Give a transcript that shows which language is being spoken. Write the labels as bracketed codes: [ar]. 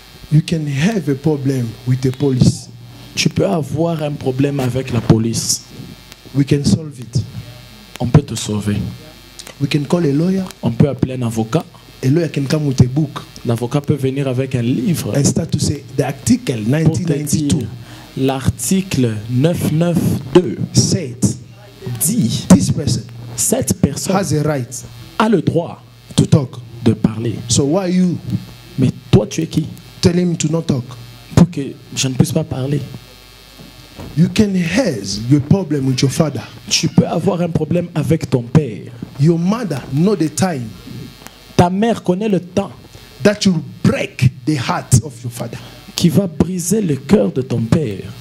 [en] You can have a problem with the police. [fr] Tu peux avoir un problème avec la police. [en] We can solve it. [fr] On peut te sauver. [en] We can call a lawyer. [fr] On peut appeler un avocat. [en] A lawyer can come with a book. [fr] L'avocat peut venir avec un livre. [en] And start to say the article 1992. [fr] L'article 992 [en] said, [fr] dit, [en] this person, [fr] cette personne [en] has a right. [fr] A le droit [en] to talk. [fr] De parler. [en] So why you? [fr] Mais toi tu es qui? [en] Tell him to not talk. [fr] Pour que je ne puisse pas parler. [en] You can have your problem with your father. [fr] Tu peux avoir un problème avec ton père. [en] Your mother know the time. [fr] Ta mère connaît le temps. [en] That you break the heart of your father. [fr] Qui va briser le cœur de ton père.